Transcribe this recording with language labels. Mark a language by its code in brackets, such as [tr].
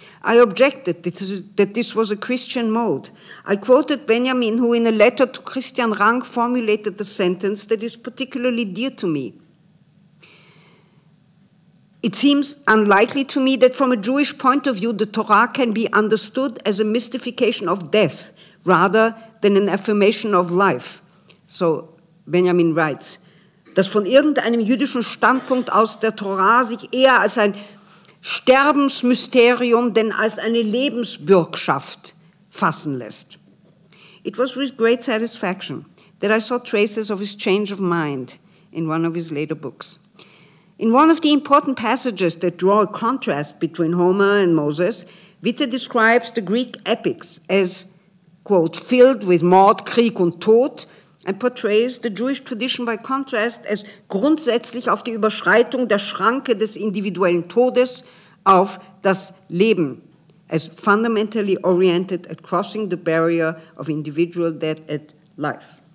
[en] I objected that this was a Christian mode. I quoted Benjamin, who in a letter to Christian Rank formulated the sentence that is particularly dear to me. It seems unlikely to me that from a Jewish point of view, the Torah can be understood as a mystification of death rather than an affirmation of life. So Benjamin writes, [de] dass von irgendeinem jüdischen Standpunkt aus der Torah sich eher als ein Sterbensmysterium denn als eine Lebensbürgschaft fassen lässt. [en] It was with great satisfaction that I saw traces of his change of mind in one of his later books. In one of the important passages that draw a contrast between Homer and Moses, Witter describes the Greek epics as, quote, filled with [de] Mord, Krieg und Tod, [en] and portrays the Jewish tradition by contrast as [de] grundsätzlich auf die Überschreitung der Schranke des individuellen Todes auf das Leben, [en] as fundamentally oriented at crossing the barrier of individual death at life.